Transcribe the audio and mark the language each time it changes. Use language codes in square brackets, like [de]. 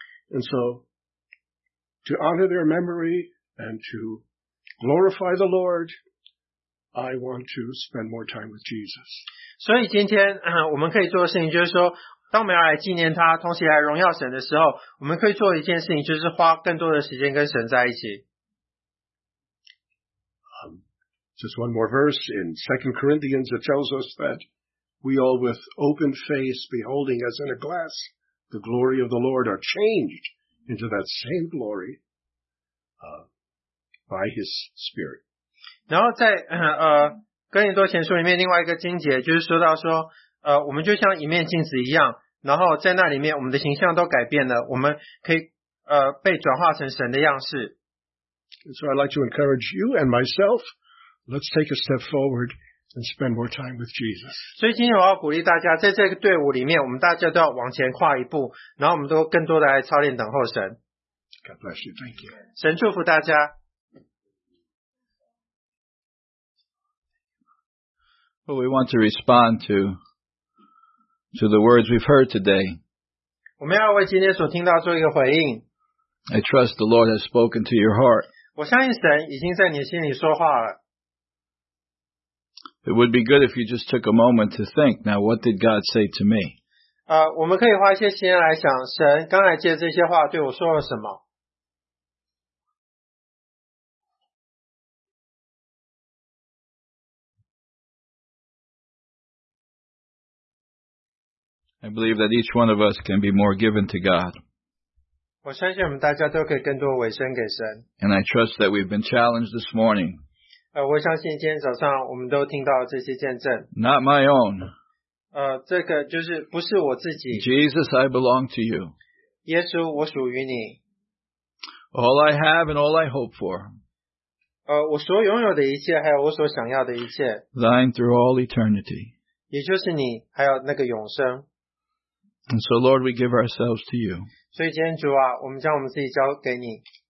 [en] And so, to honor their memory and to glorify the Lord,I want to spend more time with Jesus. [zh] 所以今天我们可以做的事情就是说，当我们要来纪念他，同时来荣耀神的时候，我们可以做一件事情，就是花更多的时间跟神在一起。 [en] Just one more verse in 2 Corinthians that tells us that we all with open face beholding as in a glass the glory of the Lord are changed into that same glory by His Spirit. [zh] 然后在哥林多前书里面另外一个经节就是说到说我们就像一面镜子一样，然后在那里面我们的形象都改变了，我们可以被转化成神的样式。 [en] So I'd like to encourage you and myself, let's take a step forward and spend more time with Jesus. [zh] 所以今天我要鼓励大家，在这个队伍里面我们大家都要往前跨一步，然后我们都更多的来操练等候神。 [en] God bless you, thank you. [zh] 神祝福大家。 [en] Well, we want to respond to the words we've heard today. [zh] 我们要为今天所听到做一个回应。 [en] I trust the Lord has spoken to your heart. [zh] 我相信神已经在你心里说话了。 [en] It would be good if you just took a moment to think. Now, what did God say to me? [zh] 我们可以花一些时间来想，神刚才借这些话对我说了什么。 [en] I believe that each one of us can be more given to God. [zh] 我相信我们大家都可以更多委身给神。 [en] And I trust that we've been challenged this morning. [zh] 我相信今天早上我们都听到这些见证。 [en] Not my own. [zh] 这个就是不是我自己。 [en] Jesus, I belong to you. [zh] 耶稣，我属于你。 [en] All I have and all I hope for. [zh] 我所拥有的一切还有我所想要的一切。 [en] Thine through all eternity. [zh] 也就是你还有那个永生。 [en] And so, Lord, we give ourselves to you. [zh] 所以今天主啊，我们将我们自己交给你。